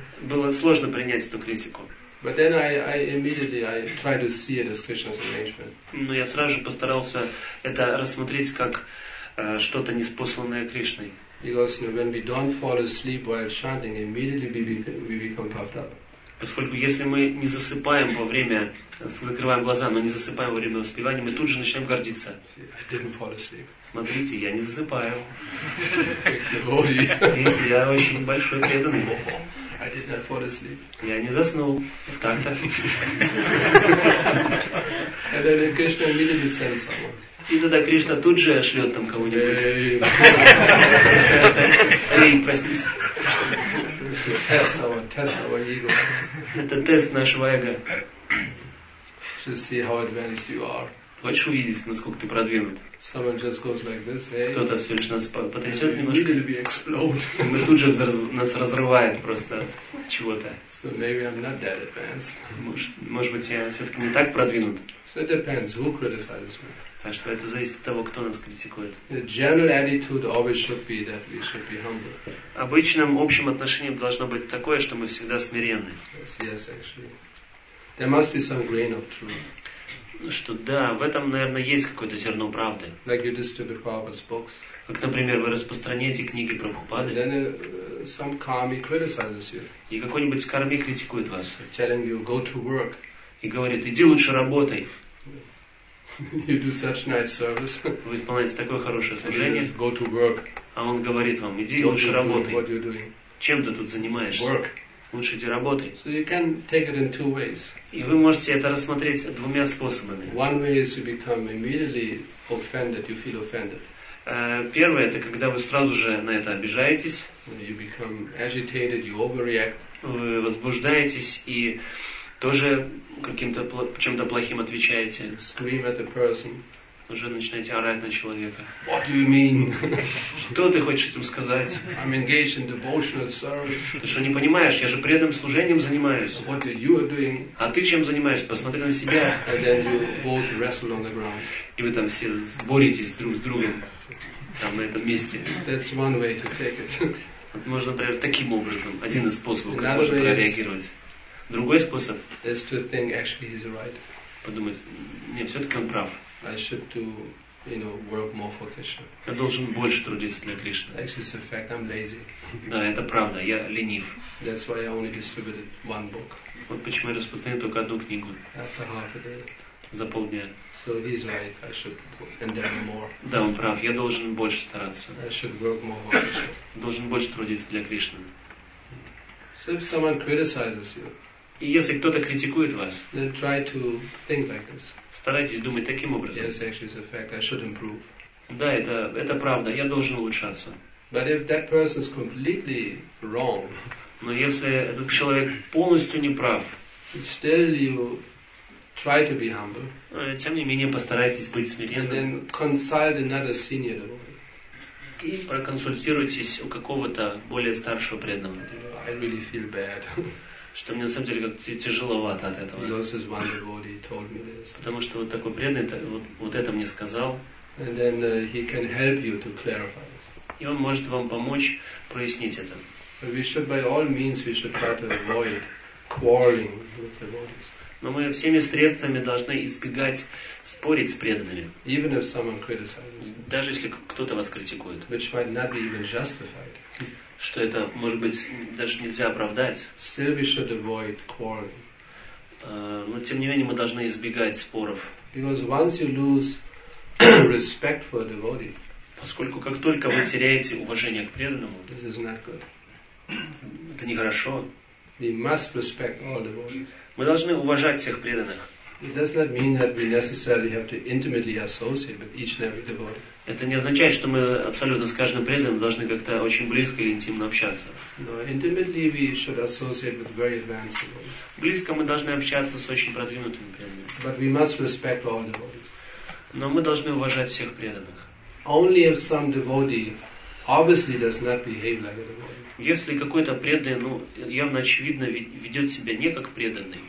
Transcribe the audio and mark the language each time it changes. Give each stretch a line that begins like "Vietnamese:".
Russian: Было сложно принять эту критику.
English: But then I immediately I tried to see it as Krishna's arrangement.
Russian: Но я сразу же постарался это рассмотреть как что-то неспосланное Кришной.
English: Because, you know, when we don't fall asleep while chanting, immediately we become puffed up.
Russian: Поскольку если мы не засыпаем во время, закрываем глаза, но не засыпаем во время воспевания, мы тут же начнем гордиться.
English: I didn't fall asleep.
Russian: Смотрите, я не засыпаю. Видите, я очень большой преданный.
English: I did not fall asleep.
Russian: Я не заснул. Так-то.
English: And then Krishna immediately sends someone.
Russian: И тогда Кришна тут же шлет там кого-нибудь. Эй, проснись.
English: Test our ego.
Russian: Это тест нашего эго.
English: Just see how advanced you are.
Russian: Хочешь увидеть, насколько ты продвинут?
English: Someone just goes like this, hey.
Russian: Кто-то все лишь нас потрясет немножко.
English: We explode.
Russian: Мы тут же нас разрывает просто от чего-то.
English: So maybe I'm not that advanced.
Russian: Может быть, я все-таки не так продвинут.
English: So it depends who criticizes me.
Russian: Так что это зависит от того, кто нас критикует.
English: General attitude always should be that we should be humble.
Russian: Обычным общим отношением должно быть такое, что мы всегда смиренны.
English: Yes, actually. There must be some grain of truth.
Russian: Что да, в этом, наверное, есть какое-то зерно правды.
English: Like you distribute Prabhupada's books.
Russian: Как, например, вы распространяете книги Прабхупады.
English: Then some karmi criticizes you.
Russian: И какой-нибудь карми критикует вас.
English: Telling you, go to work.
Russian: И говорит, иди лучше работай.
English: You do such nice service.
Russian: Вы исполняете такое хорошее служение.
English: Go to work.
Russian: А он говорит вам, иди лучше работай.
English: What you're doing.
Russian: Чем ты тут занимаешься?
English: Work.
Russian: Лучше иди работай.
English: So you can take it in two ways.
Russian: И вы можете это рассмотреть двумя способами.
English: One way is you become immediately offended, you feel offended.
Russian: Первое, это когда вы сразу же на это обижаетесь.
English: You become agitated, you overreact.
Russian: Вы возбуждаетесь и тоже каким-то чем-то плохим отвечаете.
English: Scream at the person.
Russian: уже начинаете орать на человека.
English: What do you mean?
Russian: Что ты хочешь этим сказать?
English: I'm engaged in devotional service.
Russian: Ты что, не понимаешь? Я же преданным служением занимаюсь.
English: What are you doing?
Russian: А ты чем занимаешься? Посмотри на себя.
English: And then you both wrestle on the ground.
Russian: И вы там все боретесь друг с другом там на этом месте.
English: That's one way to take it.
Russian: Вот можно, например, таким образом, один из способов, как можно прореагировать. Другой способ.
English: Is to think actually he's right.
Russian: Подумать, нет, все-таки он прав.
English: I should do, you know, work more for Krishna.
Russian: Я должен больше трудиться для Кришны.
English: Actually, it's a fact. I'm lazy.
Russian: Да, это правда. Я ленив.
English: That's why I only distributed one book.
Russian: Вот почему я распространил только одну книгу.
English: After half a day.
Russian: За полдня.
English: So he's right. I should endeavor more.
Russian: Да, он прав. Я должен больше стараться.
English: I should work more for Krishna.
Russian: Должен больше трудиться для Кришны.
English: So if someone criticizes you.
Russian: И если кто-то критикует вас,
English: try to think like this.
Russian: Старайтесь думать таким образом.
English: Yes, actually, it's a fact. I should improve.
Russian: Да, это правда, я должен улучшаться.
English: But if that person is completely wrong,
Russian: но если этот человек полностью не прав,
English: still you try to be humble,
Russian: тем не менее постарайтесь быть смиренным.
English: And then consult another senior devotee.
Russian: И проконсультируйтесь у какого-то более старшего преданного.
English: I really feel bad.
Russian: Что мне на самом деле как-то тяжеловато от этого.
English: Because this one devotee told me this.
Russian: Потому что вот такой преданный вот это мне сказал.
English: And then he can help you to clarify this.
Russian: И он может вам помочь прояснить это.
English: But we should by all means we should try to avoid quarreling with the devotees.
Russian: Но мы всеми средствами должны избегать спорить с преданными.
English: Even if someone criticizes.
Russian: Даже если кто-то вас критикует.
English: Which might not be even justified.
Russian: Что это, может быть, даже нельзя оправдать.
English: Still we should avoid quarreling.
Russian: Но тем не менее мы должны избегать споров.
English: Because once you lose respect for a devotee,
Russian: поскольку как только вы теряете уважение к преданному,
English: this is not good.
Russian: Это нехорошо.
English: We must respect all devotees.
Russian: Мы должны уважать всех преданных.
English: It does not mean that we necessarily have to intimately associate with each and every devotee.
Russian: Это не означает, что мы абсолютно с каждым преданным должны как-то очень близко или интимно общаться.
English: No, intimately we should associate with very advanced devotees.
Russian: Близко мы должны общаться с очень продвинутыми преданными.
English: But we must respect all devotees.
Russian: Но мы должны уважать всех преданных.
English: Only if some devotee obviously does not behave like a devotee.
Russian: Если какой-то преданный, ну, явно очевидно ведет себя не как преданный.